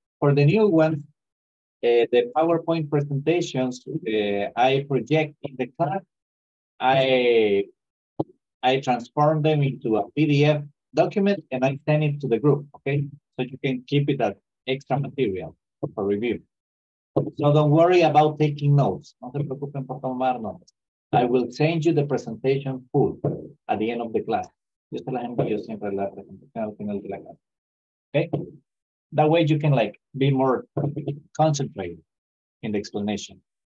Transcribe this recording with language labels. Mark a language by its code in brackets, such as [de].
[en] For the new ones, the PowerPoint presentations, I project in the class, I transform them into a PDF document and I send it to the group, okay? So you can keep it as extra material for review. So don't worry about taking notes. [es] No se preocupen por tomar notes. [en] I will send you the presentation full at the end of the class. [es] Yo se las envío siempre la presentación al final de la clase. [en] Okay? That way you can like be more concentrated in the explanation.